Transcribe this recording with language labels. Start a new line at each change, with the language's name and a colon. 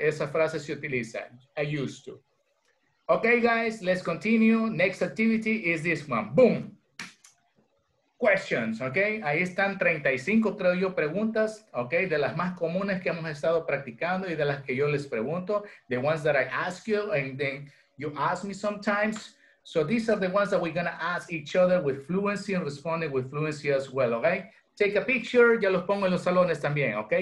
Spanish: Esa frase se utiliza,
English: I used to. Okay, guys, let's continue. Next activity is this one, boom. Questions, okay?
Spanish: Ahí están 35, creo yo, preguntas, okay? De las más comunes que hemos estado practicando y de las que yo les pregunto.
English: The ones that I ask you and then you ask me sometimes. So these are the ones that we're gonna ask each other with fluency and responding with fluency as well, okay? Take a picture,
Spanish: ya los pongo en los salones también, okay?